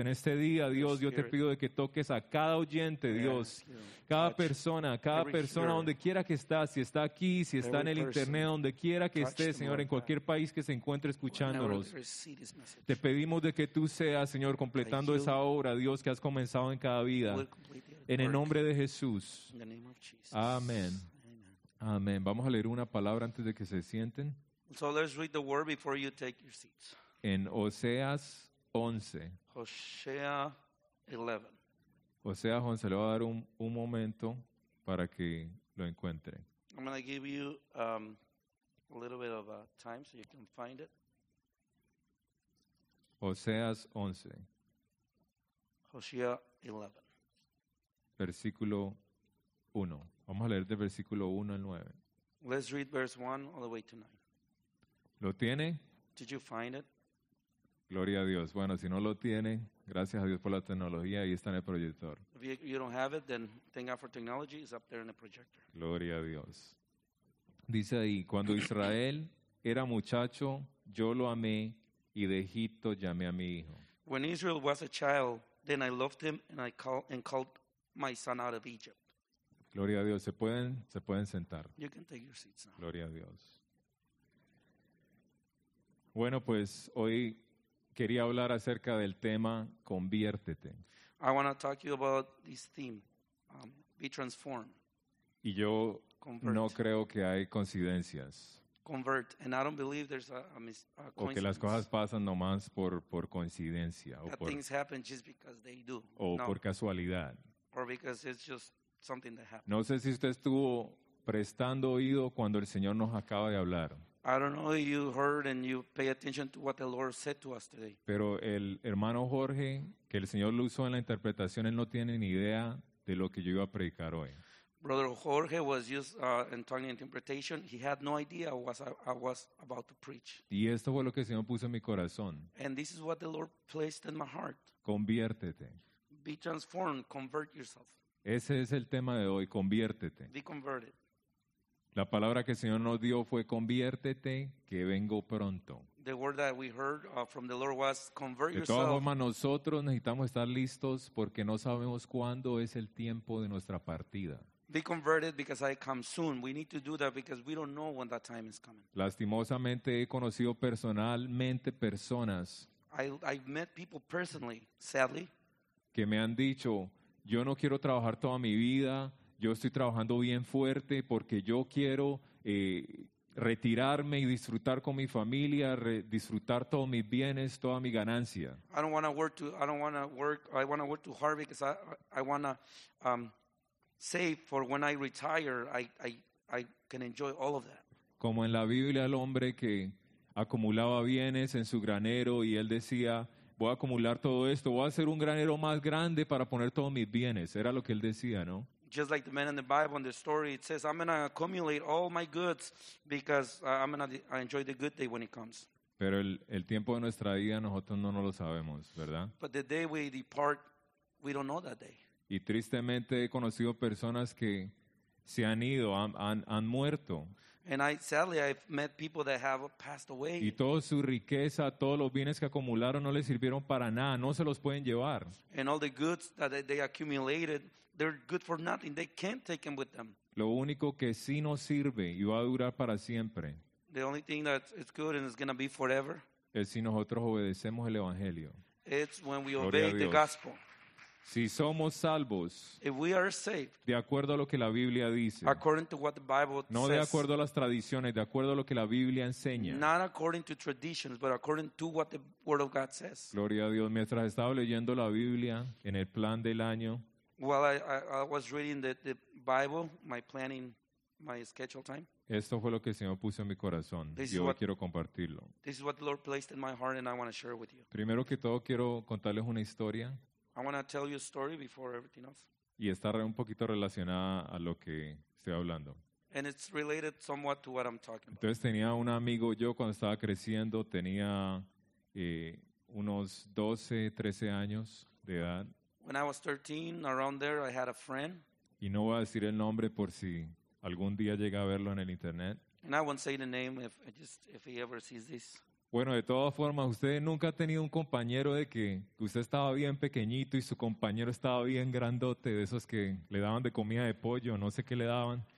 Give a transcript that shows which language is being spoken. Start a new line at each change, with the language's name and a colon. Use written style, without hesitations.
Spanish: En este día, Dios, yo te pido de que toques a cada oyente, Dios, cada persona, donde quiera que está, si está aquí, si está en el internet, donde quiera que esté, Señor, en cualquier país que se encuentre escuchándolos, te pedimos de que tú seas, Señor, completando esa obra, Dios, que has comenzado en cada vida, en el nombre de Jesús. Amén. Amén. Vamos a leer una palabra antes de que se sienten.
English: So let's read the word before you take your seats.
Spanish: En Oseas 11.
English: Hosea 11.
Spanish: O sea, Juan, se le va a dar un momento para que lo encuentre.
English: I'm going to give you a little bit of time so you can find it.
Spanish: Oseas 11.
English: Hosea 11.
Spanish: Versículo 1. Vamos a leer de versículo 1 al 9.
English: Let's read verse 1 all the way to 9.
Spanish: ¿Lo tiene?
English: Did you find it?
Spanish: Gloria a Dios. Bueno, si no lo tiene, gracias a Dios por la tecnología, ahí está en el proyector.
English: If you don't have it, then thank God for technology, it's up there in the projector.
Spanish: Gloria a Dios. Dice ahí, cuando Israel era muchacho, yo lo amé y de Egipto llamé a mi hijo.
English: When Israel was a child, then I loved him and I called my son out of Egypt.
Spanish: Gloria a Dios. Se pueden sentar.
English: You can take your seats now.
Spanish: Gloria a Dios. Bueno, pues hoy quería hablar acerca del tema conviértete.
English: I want to talk to you about this theme, be transformed.
Spanish: Y yo convert. No creo que hay coincidencias.
English: Convert, and I don't believe there's a coincidence.
Spanish: O que las cosas pasan nomás por coincidencia.
English: That
Spanish: o por,
English: things happen just because they do.
Spanish: O no. Por casualidad.
English: Or because it's just something that happens.
Spanish: No sé si usted estuvo prestando oído cuando el Señor nos acaba de hablar.
English: I don't know if you heard and you pay attention to what the Lord said to us today.
Spanish: Pero el hermano Jorge, que el Señor lo usó en la interpretación, él no tiene ni idea de lo que yo iba a predicar hoy.
English: Brother Jorge was used in talking interpretation. He had no idea what I was about to preach.
Spanish: Y esto fue lo que el Señor puso en mi corazón.
English: And this is what the Lord placed in my heart.
Spanish: Conviértete.
English: Be transformed, convert yourself.
Spanish: Ese es el tema de hoy, conviértete.
English: Be converted.
Spanish: La palabra que el Señor nos dio fue conviértete, que vengo pronto.
English: The word that we heard from the Lord was convert yourself.
Spanish: De todas formas, nosotros necesitamos estar listos porque no sabemos cuándo es el tiempo de nuestra partida.
English: Be converted because I come soon. We need to do that because we don't know when that time is coming.
Spanish: Lastimosamente he conocido personalmente personas.
English: I've met people personally, sadly,
Spanish: que me han dicho, yo no quiero trabajar toda mi vida. yo estoy trabajando bien fuerte porque yo quiero retirarme y disfrutar con mi familia, disfrutar todos mis bienes, toda mi ganancia.
English: I don't want to work too, I want to work too hard because I want to save for when I retire, I can enjoy all of that.
Spanish: Como en la Biblia el hombre que acumulaba bienes en su granero y él decía, voy a acumular todo esto, voy a hacer un granero más grande para poner todos mis bienes. Era lo que él decía, ¿no?
English: Just like the man in the Bible in the story, it says, I'm going to accumulate all my goods because I'm going to enjoy the good day when it comes.
Spanish: Pero el tiempo de nuestra vida nosotros no lo sabemos, ¿verdad?
English: But the day we depart, we don't know that day.
Spanish: Y tristemente he conocido personas que se han ido, han muerto.
English: And sadly, I've met people that have passed away.
Spanish: Y toda su riqueza, todos los bienes que acumularon no les sirvieron para nada, no se los pueden llevar.
English: And all the goods that they accumulated, they're good for nothing. They can't take them with them.
Spanish: Lo único que sí nos sirve y va a durar para siempre.
English: The only thing that is good and is going to be forever.
Spanish: Es si nosotros obedecemos el evangelio.
English: It's when we obey the gospel.
Spanish: Si somos salvos,
English: if we are saved,
Spanish: de acuerdo a lo que la Biblia dice,
English: according to what the Bible
Spanish: no
English: says,
Spanish: de acuerdo a las tradiciones, de acuerdo a lo que la Biblia enseña.
English: Not according to traditions, but according to what the Word of God says.
Spanish: Gloria a Dios. Mientras estaba leyendo la Biblia en el plan del año,
English: while I was reading the Bible, my planning, my schedule time,
Spanish: esto fue lo que el Señor puso en mi corazón. Yo quiero compartirlo.
English: This is what the Lord placed in my heart, and I want to share it with you.
Spanish: Primero que todo, quiero contarles una historia.
English: I want to tell you a story before everything else.
Spanish: Y está un poquito relacionada a lo que estoy hablando.
English: And it's related somewhat to what I'm talking about.
Spanish: Entonces tenía un amigo, yo cuando estaba creciendo, tenía unos 12, 13 años de edad.
English: When I was 13, around there, I had a friend.
Spanish: Y no voy a decir el nombre por si algún día llega a verlo en el internet.
English: And I won't say the name if he ever sees this.
Spanish: Bueno, de todas formas, usted nunca ha tenido un compañero de que usted estaba bien pequeñito y su compañero estaba bien grandote, de esos que le daban de comida de pollo, no sé qué le daban.